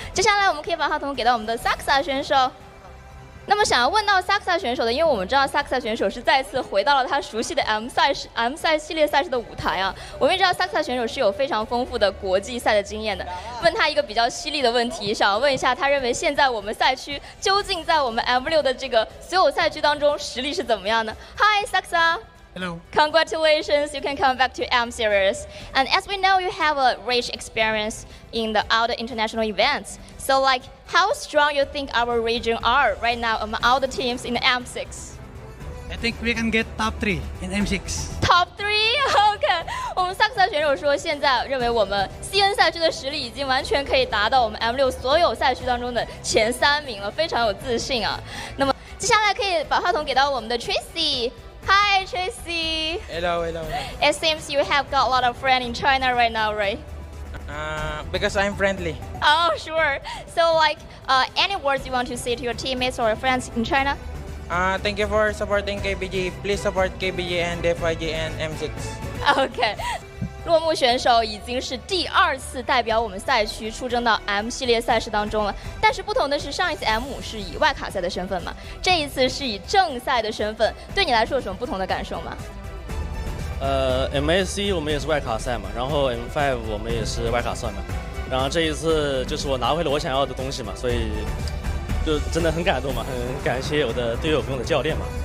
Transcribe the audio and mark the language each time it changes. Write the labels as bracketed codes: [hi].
[zh] 接下来我们可以把话筒给到我们的 Saxa 选手。那么想要问到 Saxa 选手的，因为我们知道 Saxa 选手是再次回到了他熟悉的 M 赛系列赛事的舞台啊。我们也知道 Saxa 选手是有非常丰富的国际赛的经验的，问他一个比较犀利的问题，想要问一下他认为现在我们赛区究竟在我们 M6 的这个所有赛区当中实力是怎么样的。 [en] Hi Saxa。 Hello. Congratulations, you can come back to M Series. And as we know, you have a rich experience in the other international events. So like, how strong you think our region are right now among all the teams in the M6? I think we can get top 3 in M6. Top 3? Okay. [zh] 我们 Saxa 选手说现在认为我们 CN 赛区的实力已经完全可以达到我们 M6 所有赛区当中的前三名了，非常有自信啊。那么接下来可以把话筒给到我们的 Tracy。 [en] Hi, Tracy. Hello, hello. It seems you have got a lot of friends in China right now, right? Because I'm friendly. Oh, sure. So, like, any words you want to say to your teammates or friends in China? Thank you for supporting KBG. Please support KBG and FIG and M6. Okay. [zh] 落木选手已经是第二次代表我们赛区出征到 M 系列赛事当中了，但是不同的是上一次 M5 是以外卡赛的身份嘛，这一次是以正赛的身份，对你来说有什么不同的感受吗？ MSC 我们也是外卡赛嘛，然后 M5 我们也是外卡赛嘛，然后这一次就是我拿回了我想要的东西嘛，所以就真的很感动嘛，很感谢我的队友跟我的教练嘛，